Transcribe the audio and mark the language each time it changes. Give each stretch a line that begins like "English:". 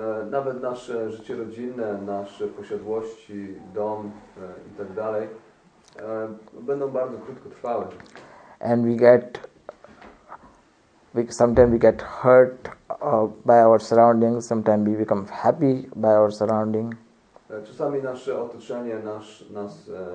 Polish: Nawet nasze życie rodzinne, nasze posiadłości, dom i tak dalej będą bardzo krótkotrwałe.
English: And sometimes we get hurt by our surroundings, sometimes we become happy by our surroundings.
Polish: Czasami nasze otoczenie nas